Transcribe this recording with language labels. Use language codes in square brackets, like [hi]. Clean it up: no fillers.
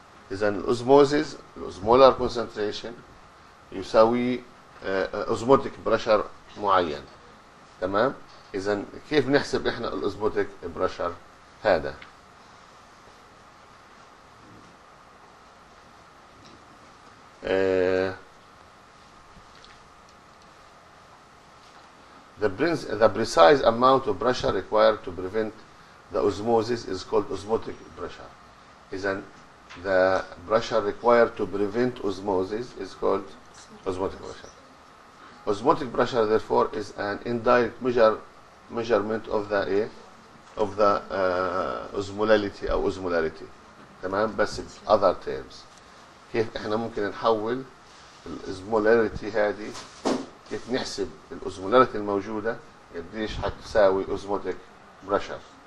[ar] إذا الأوزموزيس الأوزمولار كونسنتريشن يساوي أوزموتيك بريشر معين. تمام؟ إذا كيف نحسب إحنا الأوزموتيك بريشر هذا؟ [en] The precise amount of pressure required to prevent the osmosis is called osmotic pressure. إذا the pressure required to prevent osmosis is called osmotic pressure. Osmotic pressure, therefore, is an indirect measurement of the osmolality or osmolarity. [ar] تمام؟ بس [en] in other terms. [ar] كيف احنا ممكن نحول الاوزمولاريتي هذه، كيف نحسب الاوزمولاريتي الموجوده قديش حتساوي اوزموتيك بريشر.